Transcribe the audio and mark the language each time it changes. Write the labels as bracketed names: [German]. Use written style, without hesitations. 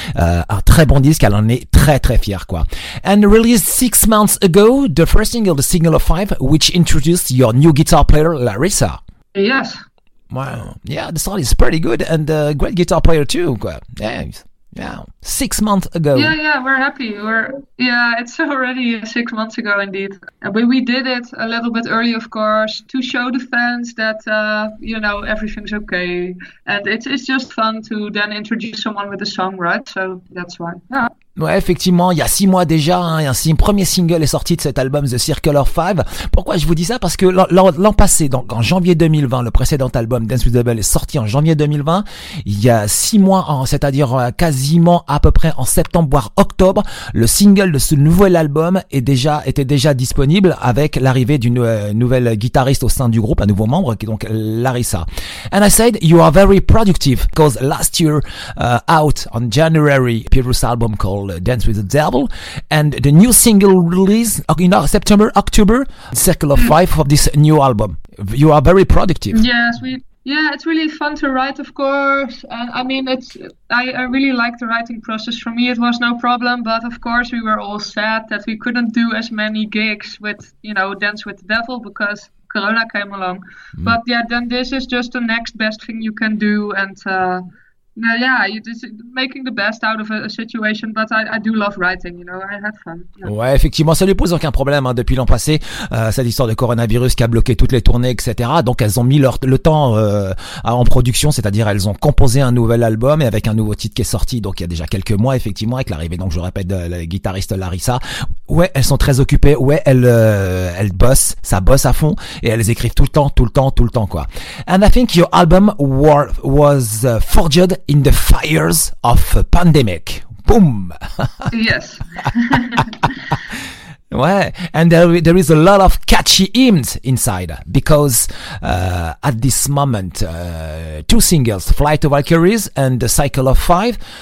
[French] Un très bon disque, elle en est très très fière, quoi. [English] And released 6 months ago, the first single, The Signal of Five, which introduced your new guitar player Larissa. Yes. Wow. Yeah, the song is pretty good and a great guitar player too. Yeah. Yeah, 6 months ago. Yeah, we're happy. It's already 6 months ago indeed. But we did it a little bit early, of course, to show the fans that, everything's okay. And it's just fun to then introduce someone with a song, right? So that's why, yeah. [French] Ouais, effectivement, il y a 6 mois déjà, hein, un premier single est sorti de cet album The Circle of Five. Pourquoi je vous dis ça? Parce que l'an passé, donc en janvier 2020, le précédent album Dance with the Devil est sorti en janvier 2020. Il y a 6 mois, c'est-à-dire quasiment à peu près en septembre voire octobre, le single de ce nouvel album était déjà disponible avec l'arrivée d'une nouvelle guitariste au sein du groupe, un nouveau membre qui est donc Larissa. [English] And I said you are very productive because last year out on January, Peter's album called Dance with the Devil, and the new single release, September, October, Circle of Five of this new album. You are very productive. Yes, it's really fun to write, of course. And I mean, I really like the writing process. For me, it was no problem, but of course, we were all sad that we couldn't do as many gigs with, Dance with the Devil because Corona came along. Mm. But yeah, then this is just the next best thing you can do, and you're just making the best out of a situation, but I do love writing, I had fun. [French] Ouais, effectivement, ça lui pose aucun problème, depuis l'an passé, cette histoire de coronavirus qui a bloqué toutes les tournées, etc. Donc, elles ont mis le temps, en production, c'est-à-dire, elles ont composé un nouvel album et avec un nouveau titre qui est sorti, donc, il y a déjà quelques mois, effectivement, avec l'arrivée, donc, je répète, de la guitariste Larissa. Ouais, elles sont très occupées, ouais, elles bossent, ça bosse à fond et elles écrivent tout le temps, quoi. [English] And I think your album was forged in the fires of a pandemic. Boom! Yes. [French] Ouais. [English] And there is a lot of catchy hymns inside because at this moment, two singles, Flight of Valkyries and The Circle of Five.